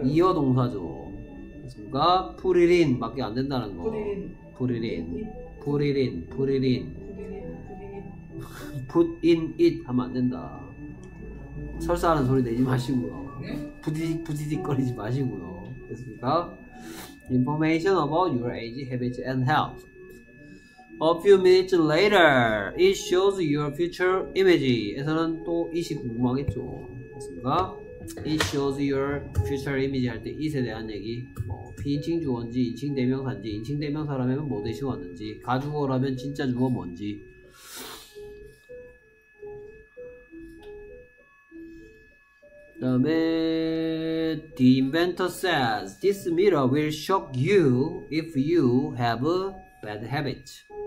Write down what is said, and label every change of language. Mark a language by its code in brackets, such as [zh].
[ko] 이어 동사죠. 그러니까 [en] put it in [ko] 밖에 안 된다는 거. [en] put it in. put in it [ko] 하면 안 된다. 설사하는 소리 내지 마시고요. 부디딕거리지 마시고요. 됐습니까? [en] Information about your age, habits, and health. A few minutes later, it shows your future image. [ko] 에서는 또 이시 궁금하겠죠. 됐습니까? [en] It shows your future image [ko] 할 때 it에 대한 얘기 뭐 비인칭 주어인지 인칭 대명사인지 인칭 대명사라면 뭐 대시 왔는지 가주어라면 진짜 주어 뭔지 그 다음에 [en] The inventor says this mirror will shock you if you have a bad habit.